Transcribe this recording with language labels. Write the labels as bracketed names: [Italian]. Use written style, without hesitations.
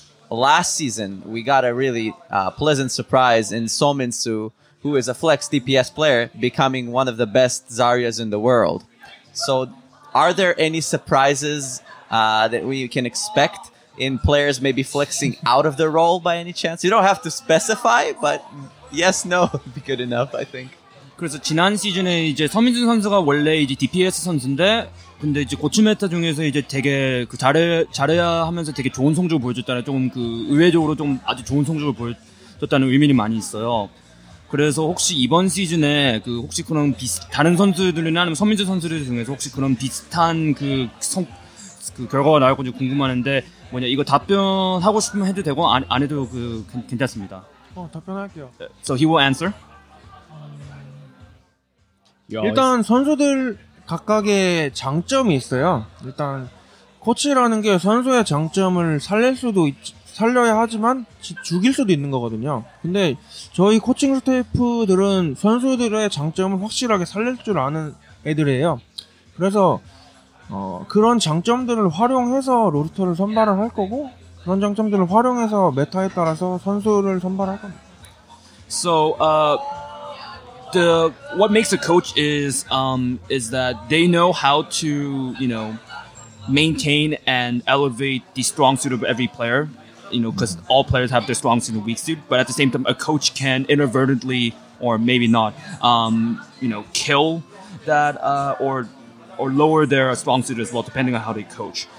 [English] Last season, we got a really pleasant surprise in So Min-su, who is a flex DPS player, becoming one of the best Zarya's in the world. So are there any surprises that we can expect in players maybe flexing out of their role by any chance? You don't have to specify, but yes, no would be good enough, I think. [Korean] 그래서 지난 시즌에 이제 서민수 선수가 원래 이제 DPS 선수인데 근데 이제 고추 메타 중에서 이제 되게 그 잘해야 하면서 되게 좋은 성적을 보여줬다는 조금 그 의외적으로 좀 아주 좋은 성적을 보여줬다는 의미는 많이 있어요. 그래서 혹시 이번 시즌에 그 혹시 그런 다른 선수들이나 아니면 서민수 선수들 중에서 혹시 그런 비슷한 그 결과가 나올 건지 궁금하는데 뭐냐 이거 답변하고 싶으면 해도 되고 안 해도 그 괜찮습니다. 답변할게요. [English] So he will answer. [Korean] 일단 선수들 각각의 장점이 있어요. 일단 코치라는 게 선수의 장점을 살려야 하지만 죽일 수도 있는 거거든요. 근데 저희 코칭 스태프들은 선수들의 장점을 확실하게 살릴 줄 아는 애들이에요. 그래서 그런 장점들을 활용해서 로스터를 선발을 할 거고 그런 장점들을 활용해서 메타에 따라서 선수를 선발할 겁니다. [English] What makes a coach is that they know how to, you know, maintain and elevate the strong suit of every player, you know, because all players have their strong suit and weak suit. But at the same time, a coach can inadvertently or maybe not, you know, kill that or lower their strong suit as well, depending on how they coach.